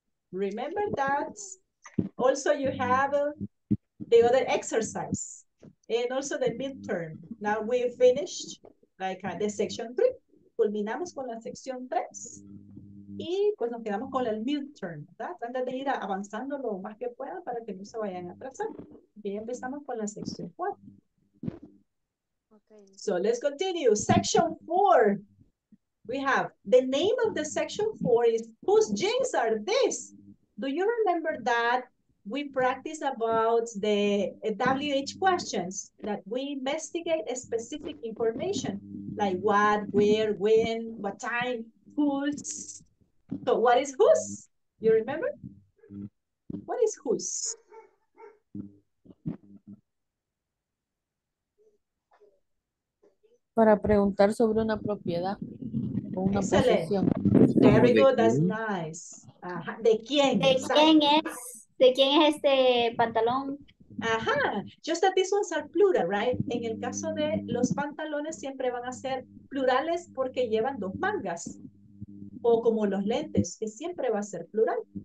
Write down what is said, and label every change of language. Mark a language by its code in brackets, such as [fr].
[en] Remember that also you have the other exercise and also the midterm. Now we finished the section 3. [es] Culminamos con la sección 3 y pues nos quedamos con el midterm, ¿verdad? Tratan de ir avanzando lo más que puedan para que no se vayan a atrasar. Y empezamos con la sección 4. Okay. [en] So let's continue. Section 4. We have the name of the section 4 is Whose Jeans Are These? Do you remember that we practice about the WH questions that we investigate a specific information like what, where, when, what time, whose. So what is whose? You remember? What is whose? [es] Para preguntar sobre una propiedad o una posesión. [en] Very good, that's nice. [es] ¿De quién? ¿De quién es? ¿De quién es este pantalón? [en] Ajá, just that these ones are plural, right? [es] En el caso de los pantalones siempre van a ser plurales porque llevan dos mangas. o como los lentes, que siempre va a ser plural.